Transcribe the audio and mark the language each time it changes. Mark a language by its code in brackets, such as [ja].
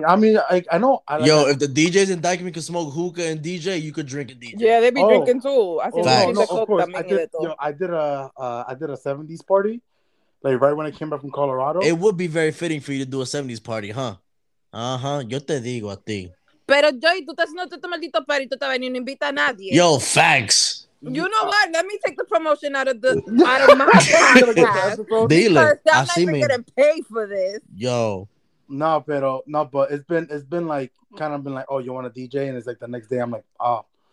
[en] I mean, I know. If the DJs in Dykeme can smoke hookah and DJ, you could drink and DJ. Yeah, they be drinking too. I did a 70s party, like right when I came back from Colorado. It would be very fitting for you to do a 70s party, huh? [es] Uh-huh, yo te digo a ti. Pero, Joey, tú estás haciendo este maldito party, tú estás veniendo, no invita a nadie. [en] Yo, thanks. You know what? Let me take the promotion out of my [es] Dile. [en] I'm not even gonna pay for this. Yo. No, but it's been like, kind of been like, oh, you want a DJ? And it's like the next day, I'm like, oh.